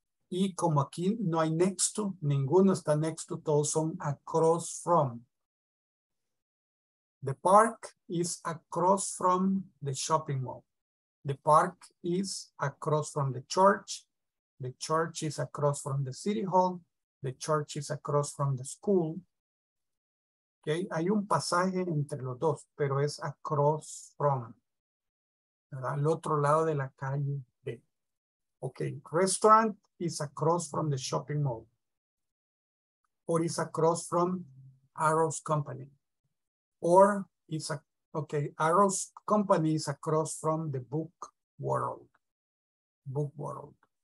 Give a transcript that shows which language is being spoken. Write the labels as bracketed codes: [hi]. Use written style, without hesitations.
[es] Y como aquí no hay next to, ninguno está next to, todos son across from. [en] The park is across from the shopping mall. The park is across from the church. The church is across from the city hall. The church is across from the school. [es] Okay, hay un pasaje entre los dos, pero es across from, ¿verdad? Al otro lado de la calle B. [en] Okay, restaurant is across from the shopping mall. Or is across from Arrow's Company. Or it's a, okay, Arrow's Company is across from the book world. Book world.